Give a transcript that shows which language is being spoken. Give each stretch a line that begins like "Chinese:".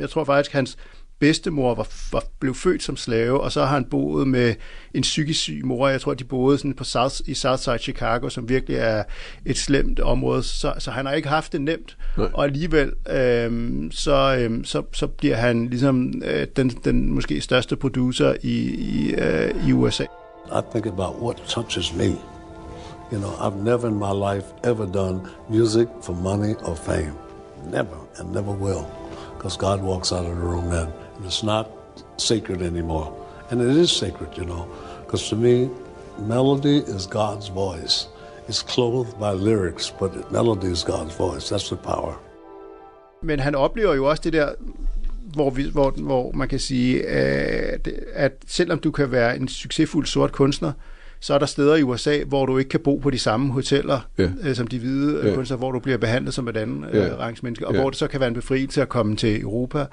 Danish: Jeg tror faktisk, hans bedstemor blev født som slave, og så har han boet med en psykisk syg mor. Jeg tror, de boede sådan i Southside Chicago, som virkelig er et slemt område. Så han har ikke haft det nemt. Nej. Og alligevel så bliver han ligesom den måske største producer i USA.
English: I think about what touches me. You know, I've never in my life ever done music for money or fame. Never and never will. Because God walks out of the room then. It's not sacred anymore. And it is sacred, you know. Because to me, melody is God's voice. It's clothed by lyrics, but melody is God's voice. That's the power.
Danish: Men han oplever jo også det der, hvor man kan sige, at selvom du kan være en succesfuld sort kunstner, så er der steder i USA, hvor du ikke kan bo på de samme hoteller, yeah. Som de hvide yeah. kunstnere, hvor du bliver behandlet som et andet yeah. rangsmenneske, og yeah. hvor det så kan være en befrielse at komme til Europa,